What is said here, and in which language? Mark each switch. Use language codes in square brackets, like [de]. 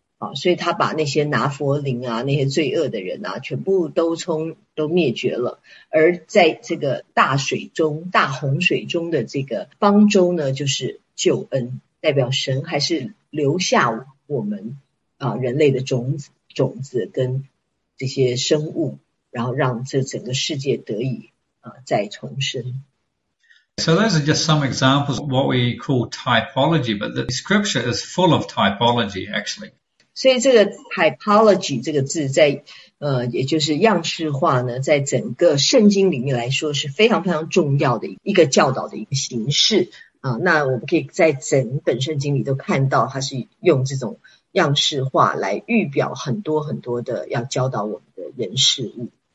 [zh] 啊，所以他把那些拿弗林啊那些罪恶的人啊全部都灭绝了，而在这个大水中大洪水中的这个方舟呢就是救恩，代表神还是留下我们啊人类的种子跟这些生物，然后让这整个世界得以再重生。 [en] So those are just some examples of what we call typology, but the scripture is full of typology, actually. [zh] 所以这个 typology 这个字在也就是样式化呢，在整个圣经里面来说是非常非常重要的一个教导的一个形式啊。那我们可以在整本圣经里都看到，它是用这种样式化来预表很多很多的要教导我们的人事物。